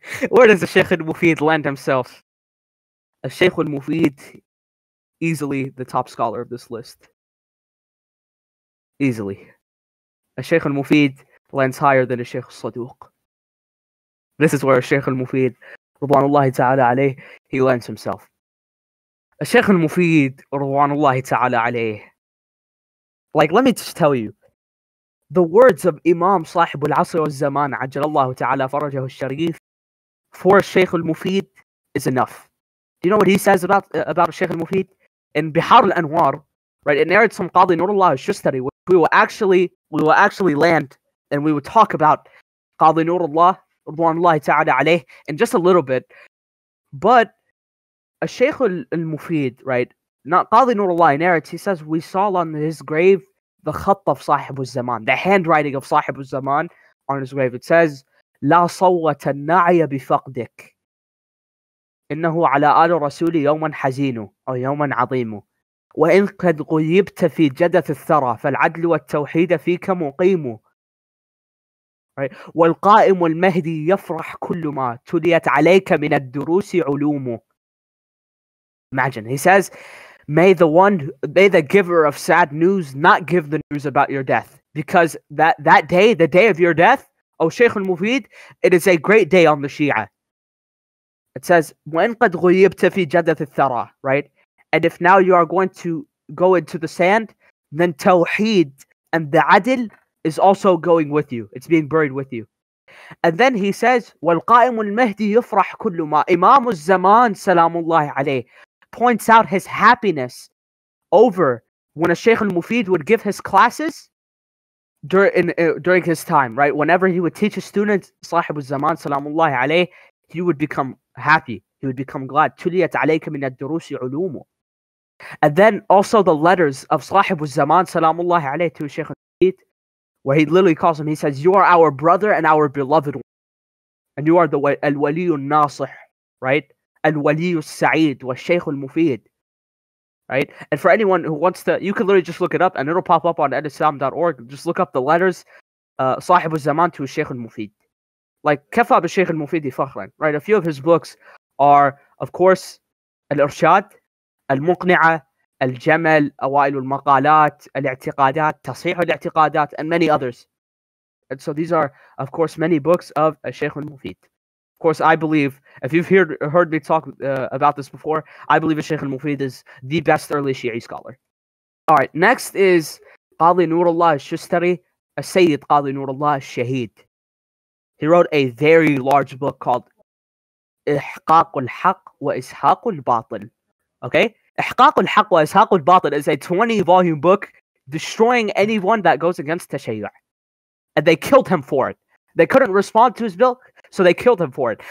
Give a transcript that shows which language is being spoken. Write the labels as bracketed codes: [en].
[en] Where does الشيخ المفيد land himself? الشيخ المفيد, easily the top scholar of this list. Easily. [ar] الشيخ المفيد [en] lands higher than [ar] الشيخ الصدوق. [en] This is where الشيخ المفيد, [ar] رضوان الله تعالى عليه, [en] he lands himself. [ar] الشيخ المفيد, رضوان الله تعالى عليه. [en] Like, let me just tell you. The words of Imam صاحب العصر والزمان, [ar] عجل الله تعالى فرجه الشريف, [en] for الشيخ المفيد is enough. Do you know what he says about الشيخ المفيد? In بحار الأنوار, right, it narrates from قاضي نور الله الشستري, which we will actually land, and we will talk about قاضي نور الله, [ar] رضوان الله تعالى عليه, [en] in just a little bit. But الشيخ المفيد, right, not قاضي نور الله, narrates, he says, we saw on his grave the خط of صاحب الزمان, the handwriting of صاحب الزمان on his grave. It says, [ar] لا صوت النعي بفقدك إنه على آل رسولي يوما حزين أو يوما عظيم وإن قد غيبت في جدث الثرى فالعدل والتوحيد فيك مقيم. [en] Right. [ar] والقائم المهدي يفرح كل ما تليت عليك من الدروس علومه. [en] Imagine, he says, may the giver of sad news not give the news about your death, because that day, the day of your death, O Shaykh al-Mufid, it is a great day on the Shia. It says, [ar] وَإِن قَدْ غُيِّبْتَ فِي جَدَثِ الثَّرَى, right? [en] And if now you are going to go into the sand, then Tawheed and the Adil is also going with you. It's being buried with you. And then he says, [ar] وَالْقَائِمُ الْمَهْدِ يُفْرَحْ كُلُّ مَا إِمَامُ الزَّمَانِ سَلَامُ اللَّهِ عَلَيْهِ, [en] points out his happiness over when a Shaykh al-Mufid would give his classes during his time, right? Whenever he would teach his students, صاحب الزمان [ar] سلام الله عليه, [en] he would become happy. He would become glad. [ar] تُلِيَتْ عَلَيْكَ مِنَ الدُّرُوسِ عُلُومُ. [en] And then also the letters of صاحب الزمان [ar] سلام الله عليه [en] to Shaykh al-Mufid, where he literally calls him, he says, you are our brother and our beloved one. And you are the [ar] الولي الناصح, [en] right? [ar] الولي السعيد والشيخ المفيد, [en] right? And for anyone who wants to, you can literally just look it up and it'll pop up on edislam.org. Just look up the letters, صاحب الزمان to الشيخ المفيد. Like, [ar] كفى بالشيخ المفيد فخرا, [en] right? A few of his books are, of course, الإرشاد, المقنعة, الجمل, أوائل المقالات, الاعتقادات, تصحيح الاعتقادات, and many others. And so these are, of course, many books of الشيخ المفيد. Of course, I believe, if you've heard me talk about this before, I believe الشيخ المفيد is the best early Shi'i scholar. All right, next is [ar] قاضي نور الله الشستري, السيد قاضي نور الله الشهيد. [en] He wrote a very large book called إحقاق الحق وإسحاق الباطل. Okay? إحقاق الحق وإسحاق الباطل is a 20-volume book destroying anyone that goes against تشيع. And they killed him for it. They couldn't respond to his bill, so they killed him for it.